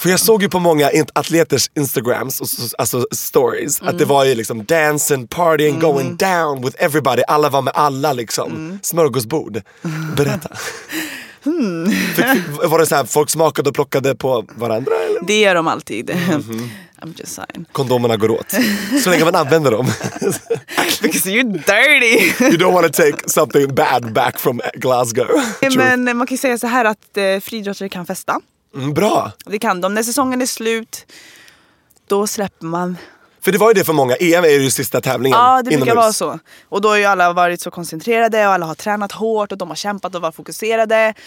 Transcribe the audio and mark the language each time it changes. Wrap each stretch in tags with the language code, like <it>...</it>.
<sv>För jag såg ju på många atleters Instagrams, alltså stories, att det var ju liksom</sv> <en>dancing, partying, going down with everybody.</en> <sv>Alla var med alla liksom. Mm. Smörgåsbord. Berätta. Var det så här, folk smakade och plockade på varandra? Eller? Det gör de alltid. Mm-hmm.</sv> <en>I'm just saying.</en> <sv>Kondomerna går åt. Så länge man använder dem.</sv> <en>Because you're dirty. You don't want to take something bad back from Glasgow.</en> <sv>Men man kan ju säga så här att friidrottare kan festa. Mm, bra. Det kan de. När säsongen är slut, då släpper man. För det var ju det för många. EM är ju sista tävlingen. Ja, det brukar vara så. Och då har ju alla varit så koncentrerade och alla har tränat hårt och de har kämpat och varit fokuserade.</sv>